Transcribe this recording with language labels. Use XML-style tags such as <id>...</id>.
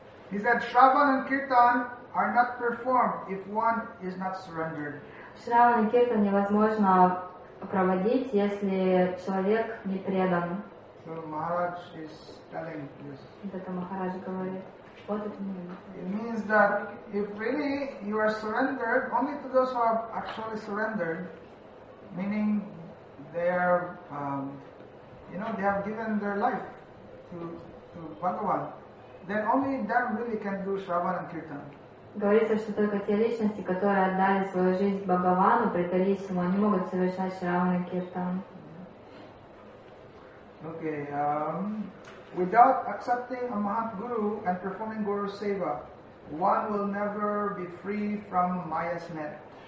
<en>He said, Shravan and Kirtan are not performed if one is not surrendered.</en> <ru>Shravan и Kirtan невозможно проводить, если человек не предан.</ru> <en>So Maharaj is telling this.</en> <ru>Это Махарадж говорит.</ru> <en>What it means? It means that if really you are surrendered, only to those who have actually surrendered, meaning they are, you know, they have given their life to Bhagavan, then only them really can do Shravan and Kirtan.</en> <ru>Говорится, что только те личности, которые отдали свою жизнь Бхагавану, предались ему, они могут совершать Шраван и Киртан.</ru> <en>Okay. Without accepting a Mahat Guru and performing Guru Seva, one will never be free from Maya's net.</en>